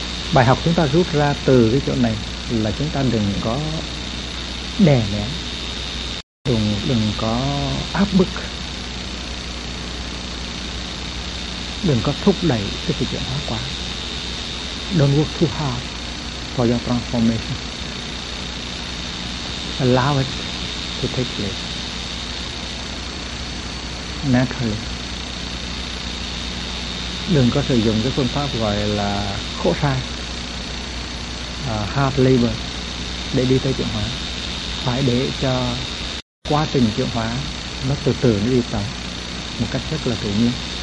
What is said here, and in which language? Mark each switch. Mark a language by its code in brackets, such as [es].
[vi] Bài học chúng ta rút ra từ cái chỗ này là chúng ta đừng có đè nén, đừng có áp bức, đừng có thúc đẩy cái sự chuyển hóa quá. [en] Don't work too hard. for your transformation. Allow it to take place naturally. [vi] Đừng có sử dụng cái phương pháp gọi là khổ sai, [en] hard labor [vi] để đi tới chuyển hóa. Phải để cho quá trình chuyển hóa nó từ từ nó đi tới một cách rất là tự nhiên.